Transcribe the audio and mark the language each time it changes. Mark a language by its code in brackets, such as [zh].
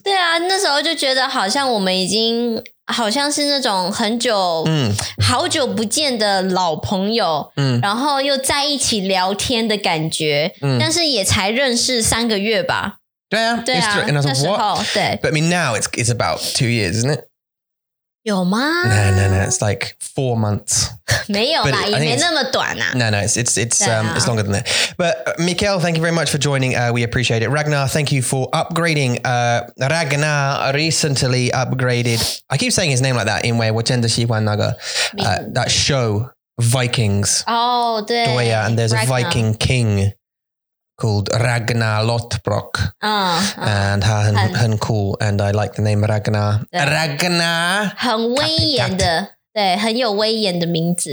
[zh] 对啊,那时候就觉得好像我们已经 好像是那种很久好久不见的老朋友，然后又在一起聊天的感觉，但是也才认识三个月吧。对啊，那时候，对。 [en] But I mean, now it's about 2 years, isn't it? [zh] 有吗？ [en] No, it's like 4 months. [zh] 没有啦，也没那么短啊。 [en] No, it's longer than that. But Mikkel, thank you very much for joining. We appreciate it. Ragnar, thank you for upgrading. Ragnar recently upgraded. I keep saying his name like that. [zh] 因为我真的喜欢那个, [en] that show, [zh] Vikings. [en] Oh, [zh] 对, 对啊, [en] and there's Ragnar, a Viking king called Ragnar Lothbrok. And [zh] 他很 [en] cool, and I like the name Ragnar. Ragnar. [zh] 很威严的, 对, 很有威严的名字.